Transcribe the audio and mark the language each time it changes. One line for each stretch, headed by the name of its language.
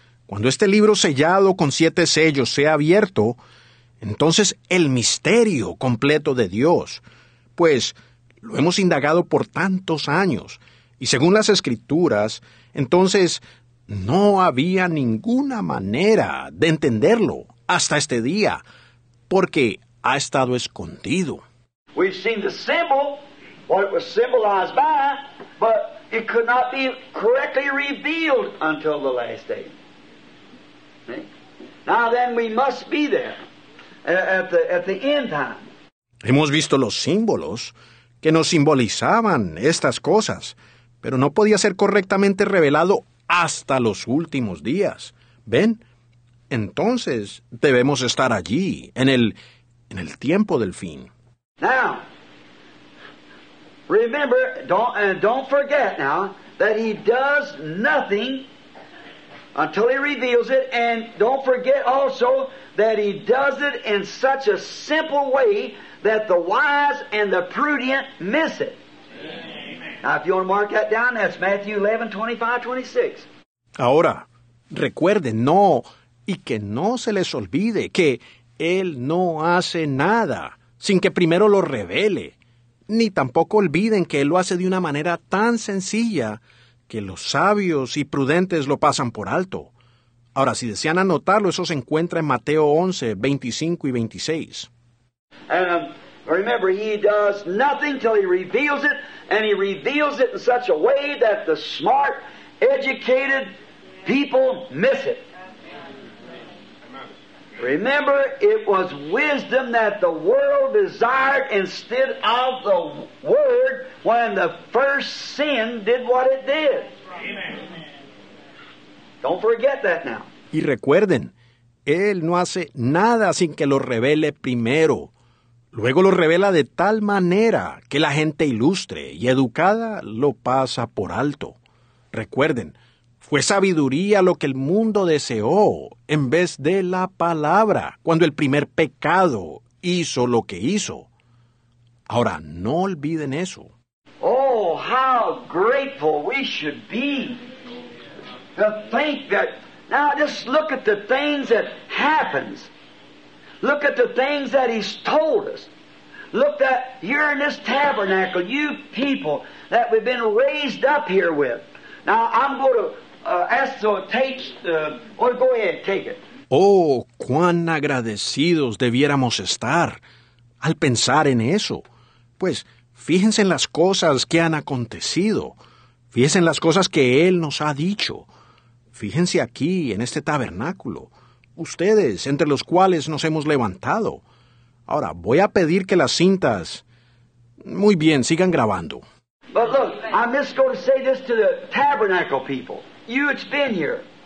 Spanish: Cuando este libro sellado con siete sellos sea abierto, entonces el misterio completo de Dios, pues lo hemos indagado por tantos años, y según las Escrituras, entonces no había ninguna manera de entenderlo hasta este día, porque ha estado escondido.
English: We've seen the symbol, what it was symbolized by, but it could not be correctly revealed until the last day. Now then we must be there at the end time.
Spanish: Hemos visto los símbolos que nos simbolizaban estas cosas, pero no podía ser correctamente revelado hasta los últimos días. ¿Ven? Entonces debemos estar allí, en el tiempo del fin.
English: Now, remember, don't forget now, that he does nothing until he reveals it, and don't forget also that he does it in such a simple way that the wise and the prudent miss it. Amen. Now, if you want to mark that down, that's Matthew 11:25-26.
Spanish: Ahora, recuerden, no, y que no se les olvide que él no hace nada sin que primero lo revele, ni tampoco olviden que él lo hace de una manera tan sencilla que los sabios y prudentes lo pasan por alto. Ahora, si desean anotarlo, eso se encuentra en Mateo 11:25-26.
English: Remember, he does nothing till he reveals it, and he reveals it in such a way that the smart, educated people miss it. Remember, it was wisdom that the world desired instead of the Word when the first sin did what it did. Amen. Don't forget that now.
Spanish: Y recuerden, él no hace nada sin que lo revele primero. Luego lo revela de tal manera que la gente ilustre y educada lo pasa por alto. Recuerden, fue sabiduría lo que el mundo deseó en vez de la palabra cuando el primer pecado hizo lo que hizo. Ahora, no olviden eso.
English: Oh, how grateful we should be to think that, now just look at the things that happens. Look at the things that he's told us. Look that you're in this tabernacle, you people that we've been raised up here with. Now, I'm going to ask to take, or go ahead, take it.
Spanish: Oh, cuán agradecidos debiéramos estar al pensar en eso. Pues, fíjense en las cosas que han acontecido. Fíjense en las cosas que él nos ha dicho. Fíjense aquí, en este tabernáculo. Ustedes, entre los cuales nos hemos levantado. Ahora, voy a pedir que las cintas... Muy bien, sigan grabando.
English: But look, I'm just going to say this to the tabernacle people. You, it's been here.